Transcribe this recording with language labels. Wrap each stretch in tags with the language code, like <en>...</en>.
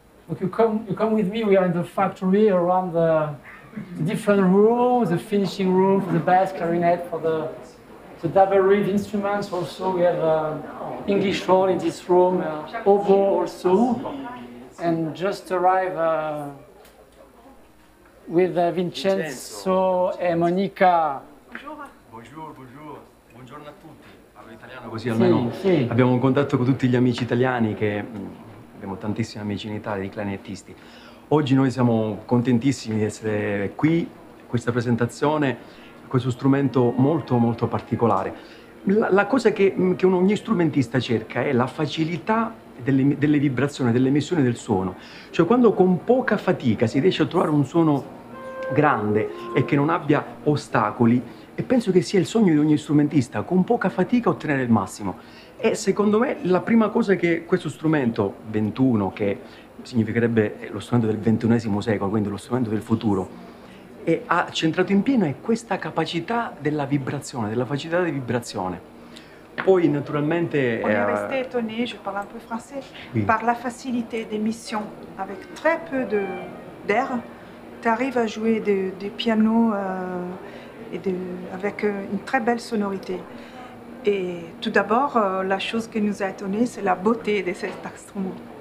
<en>Okay, you come with me. We are in the factory around the different rooms, the finishing room for the bass clarinet, for the double reed instruments. Also, we have English horn in this room, oboe also, and just arrive with Vincenzo and Monica.</en> <fr>Bonjour. Bonjour. Bonjour</fr> <it>a tutti. Parlo italiano così almeno. Sì. Abbiamo un contatto con tutti gli amici italiani che abbiamo tantissimi amici in Italia di clarinettisti. Oggi noi siamo contentissimi di essere qui, questa presentazione, questo strumento molto molto particolare. La cosa che ogni strumentista cerca è la facilità delle vibrazioni, dell'emissione del suono. Cioè quando con poca fatica si riesce a trovare un suono grande e che non abbia ostacoli, e penso che sia il sogno di ogni strumentista, con poca fatica ottenere il massimo. E secondo me la prima cosa che questo strumento 21, che significherebbe lo strumento del 21esimo secolo, quindi lo strumento del futuro, e ha centrato in pieno è questa capacità della vibrazione, della facilità di vibrazione. Poi naturalmente</it> <fr>on est resté étonné, je parle un peu français, oui. Par la facilité d'émission avec très peu d'air, tu arrives à jouer des pianos avec une très belle sonorité. Et tout d'abord, la chose qui nous a étonné, c'est la beauté de cet instrument.</fr>